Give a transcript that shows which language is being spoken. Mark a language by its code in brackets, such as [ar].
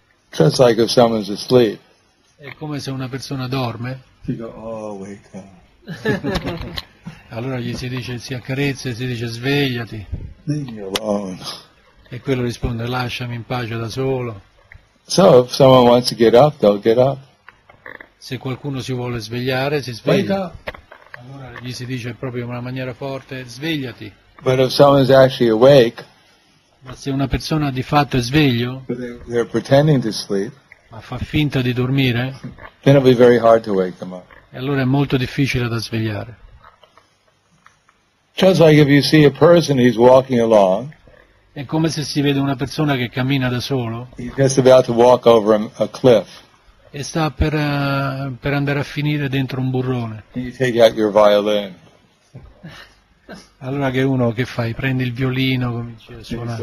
[en] Just like if someone's asleep. [it] È come se una persona dorme. [en] Go, oh, wake up. [it] Allora gli si dice, si accarezza, si dice svegliati. [en] Leave me alone. [it] E quello risponde, lasciami in pace da solo. [en] So if someone wants to get up, they'll get up. [it] Se qualcuno si vuole svegliare, si sveglia. [en] Wake up. [it] Allora gli si dice proprio in una maniera forte, svegliati. [en] But if someone is actually awake, [it] ma se una persona di fatto è sveglio, [en] they're pretending to sleep, [it] ma a far finta di dormire, [en] then it'll be very hard to wake them up. [it] E allora è molto difficile da svegliare. [en] Just like if you see a person, he's walking along. [it] È come se si vede una persona che cammina da solo. [en] He's just about to walk over a cliff. [it] E sta per andare a finire dentro un burrone. [en] You take out your violin. [it] Allora che uno che fai? Prende il violino, comincia a suonare.